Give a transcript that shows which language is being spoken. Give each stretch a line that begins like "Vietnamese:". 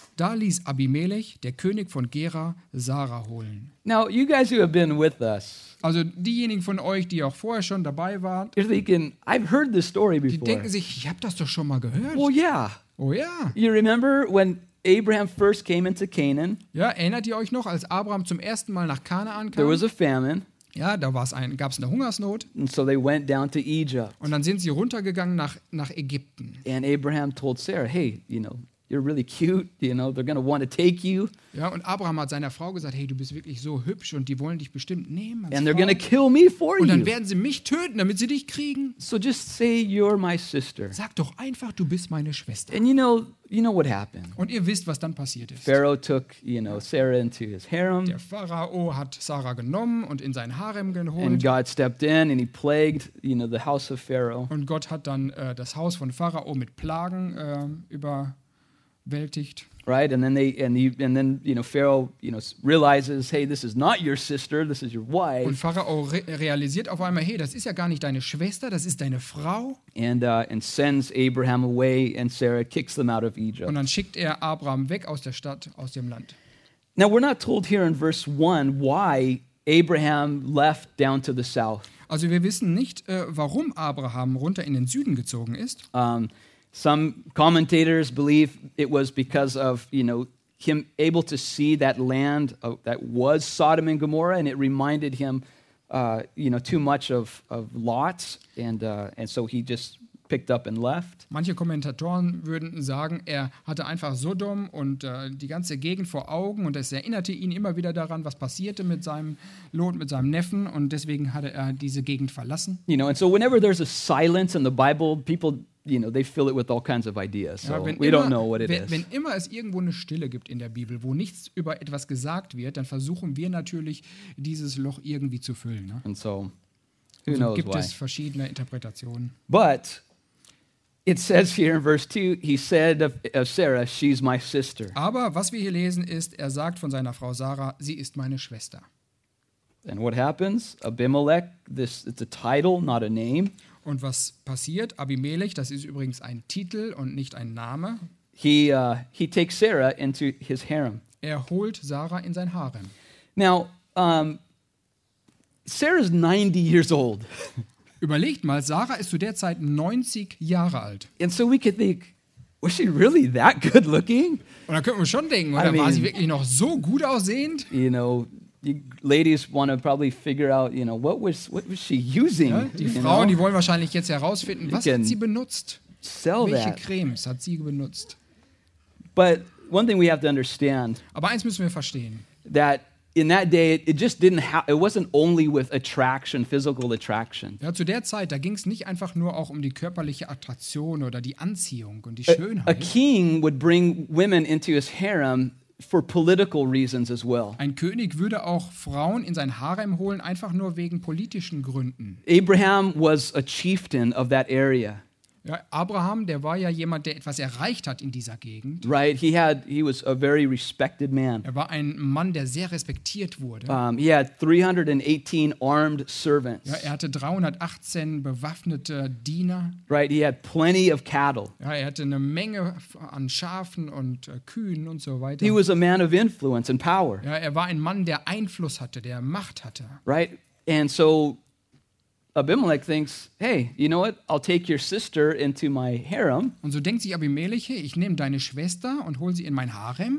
German: Da ließ Abimelech, der König von Gera, Sara holen.
English: Now, you guys who have been with us,
German: also diejenigen von euch, die auch vorher schon dabei waren,
English: you're thinking, I've heard this story before.
German: Die denken sich, ich habe das doch schon mal gehört. Oh ja. Oh ja.
English: You remember when Abraham first came into Canaan?
German: Ja, erinnert ihr euch noch, als Abraham zum ersten Mal nach Kanaan kam?
English: There was a famine.
German: Ja, da gab es eine Hungersnot.
English: And so they went down to Egypt.
German: Und dann sind sie runtergegangen nach Ägypten.
English: And Abraham told Sarah, hey, you know, you're really cute, you know, they're going to want to take you.
German: Ja, und Abraham hat seiner Frau gesagt, hey, du bist wirklich so hübsch und die wollen dich bestimmt nehmen.
English: And they're going to kill me for you.
German: Und dann werden sie mich töten, damit sie dich kriegen.
English: So just say you're my sister.
German: Sag doch einfach, du bist meine Schwester.
English: And you know what happened.
German: Und ihr wisst, was dann passiert ist.
English: Pharaoh took, you know, Sarah into his harem.
German: Der Pharao hat Sarah genommen und in sein Harem geholt.
English: And God stepped in and he plagued, you know, the house of Pharaoh.
German: Und Gott hat dann das Haus von Pharao mit Plagen über Weltigt.
English: Right, and then then you know Pharaoh, you know, realizes, hey, this is not your sister, this is your wife.
German: Und Pharao realisiert auf einmal, hey, das ist ja gar nicht deine Schwester, das ist deine Frau.
English: And sends Abraham away, and Sarah kicks them out of Egypt.
German: Und dann schickt er Abraham weg aus der Stadt, aus dem Land.
English: Now we're not told here in verse 1 why Abraham left down to the south.
German: Also wir wissen nicht, warum Abraham runter in den Süden gezogen ist.
English: Some commentators believe it was because of, you know, him able to see that land that was Sodom and Gomorrah, and it reminded him, you know, too much of Lot, and so he just picked up and left.
German: Manche Kommentatoren würden sagen, er hatte einfach Sodom und die ganze Gegend vor Augen und es erinnerte ihn immer wieder daran, was passierte mit seinem Lot, mit seinem Neffen und deswegen hatte er diese Gegend verlassen.
English: You know, and so whenever there's a silence in the Bible, people, you know, they fill it with all kinds of ideas, so ja, we don't know what it is.
German: Wenn immer es irgendwo eine Stille gibt in der Bibel, wo nichts über etwas gesagt wird, dann versuchen wir natürlich, dieses Loch irgendwie zu füllen. Ne?
English: And so, who
German: also
English: knows
German: gibt
English: why.
German: Es verschiedene Interpretationen.
English: But it says here in verse 2, he said of Sarah, she's my sister.
German: Aber was wir hier lesen ist, er sagt von seiner Frau Sarah, sie ist meine Schwester.
English: And what happens? Abimelech, this it's a title, not a name.
German: Und was passiert? Abimelech, das ist übrigens ein Titel und nicht ein Name.
English: He takes Sarah into his harem.
German: Er holt Sarah in sein Harem.
English: Now, Sarah's 90 years old.
German: Überlegt mal, Sarah ist zu der Zeit 90 Jahre alt.
English: And so we could think, was she really that good looking?
German: Und da könnten wir schon denken, oder?
English: I mean,
German: war sie wirklich noch so gut aussehend?
English: You know, you ladies want to probably figure out, you know, what was she using?
German: Ja, die Frauen,
English: know?
German: Die wollen wahrscheinlich jetzt herausfinden, was hat sie benutzt? Welche Cremes hat sie benutzt?
English: But one thing we have to understand.
German: Aber eins müssen wir verstehen.
English: That in that day it just didn't it wasn't only with attraction, physical attraction.
German: Ja, zu der Zeit, da ging es nicht einfach nur auch um die körperliche Attraktion oder die Anziehung und die Schönheit.
English: A king would bring women into his harem for political reasons as well.
German: Ein König würde auch Frauen in sein Harem holen, einfach nur wegen politischen Gründen.
English: Abraham was a chieftain of that area.
German: Ja, Abraham, der war ja jemand, der etwas erreicht hat in dieser Gegend.
English: Right, he was a very respected man.
German: Er war ein Mann, der sehr respektiert wurde.
English: He had 318 armed servants.
German: Ja, er hatte 318 bewaffnete Diener.
English: Right, he had plenty of cattle.
German: Ja, er hatte eine Menge an Schafen und Kühen und so weiter.
English: He was a man of influence and power.
German: Ja, er war ein Mann, der Einfluss hatte, der Macht hatte.
English: Right, and so Abimelech thinks, hey, you know what? I'll take your sister into my harem.
German: Und so denkt sich Abimelech, hey, ich nehme deine Schwester und hole sie in mein Harem.